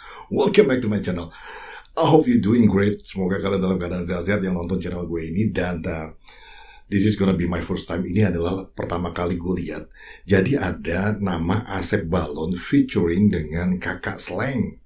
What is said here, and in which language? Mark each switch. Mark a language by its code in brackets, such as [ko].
[en] Welcome back to my channel. I hope you're doing great. [id] Semoga kalian dalam keadaan sehat-sehat yang nonton channel gue ini. Dan [en] this is gonna be my first time. [id] Ini adalah pertama kali gue lihat. Jadi ada nama Asep Balon featuring dengan Kakak Slang.